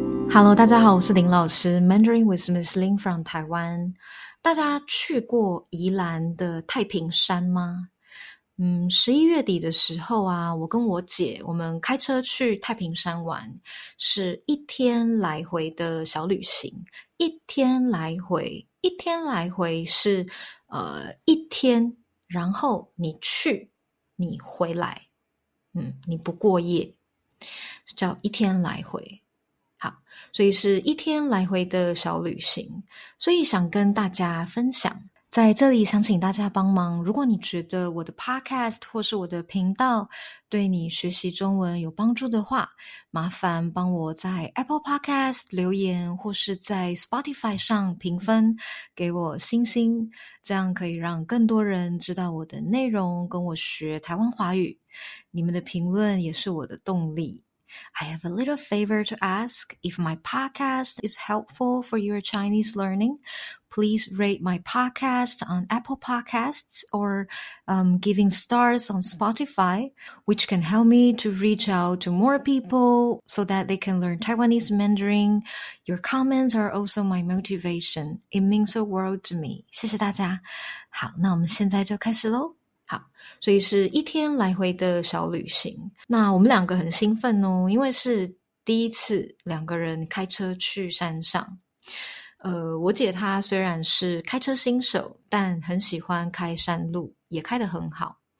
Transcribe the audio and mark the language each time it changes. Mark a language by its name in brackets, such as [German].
[Chinese] Hello，大家好，我是林老师， [English] Mandarin with Miss Lin from Taiwan。 [Chinese] 大家去过宜兰的太平山吗？ 11月底的时候啊，我跟我姐我们开车去太平山玩，是一天来回的小旅行，一天来回是一天，然后你去，你回来，你不过夜，叫一天来回。好，所以是一天来回的小旅行，所以想跟大家分享，在这里想请大家帮忙。如果你觉得我的 podcast 或是我的频道对你学习中文有帮助的话，麻烦帮我在 Apple Podcast 留言或是在 Spotify 上评分，给我星星，这样可以让更多人知道我的内容，跟我学台湾华语。你们的评论也是我的动力。 [English] I have a little favor to ask. If my podcast is helpful for your Chinese learning, please rate my podcast on Apple Podcasts or giving stars on Spotify, which can help me to reach out to more people so that they can learn Taiwanese Mandarin. Your comments are also my motivation. It means the world to me. [Chinese] 谢谢大家。好，那我们现在就开始喽。好，所以是一天来回的小旅行。那我们两个很兴奋哦，因为是第一次两个人开车去山上。我姐她虽然是开车新手，但很喜欢开山路，也开得很好。